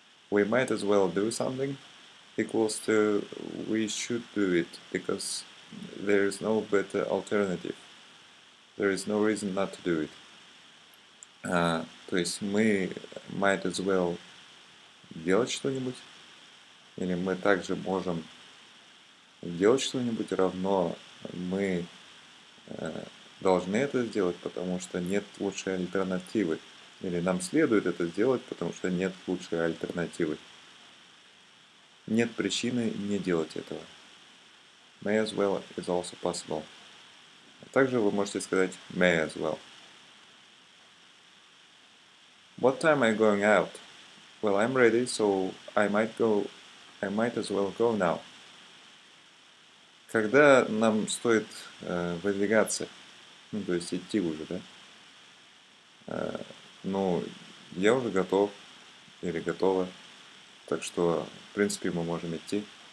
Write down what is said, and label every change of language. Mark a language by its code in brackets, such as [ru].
[en] We might as well do something equals to we should do it, because there is no better alternative. There is no reason not to do it. [ru] То есть мы might as well делать что-нибудь, или мы также можем делать что-нибудь равно... Мы должны это сделать, потому что нет лучшей альтернативы. Или нам следует это сделать, потому что нет лучшей альтернативы. Нет причины не делать этого. [en] May as well is also possible. [ru] Также вы можете сказать [en] may as well. What time are you going out? Well, I'm ready, so I might as well go now. [ru] Когда нам стоит выдвигаться, ну, то есть идти уже, да? Ну, я уже готов или готова, так что, в принципе, мы можем идти.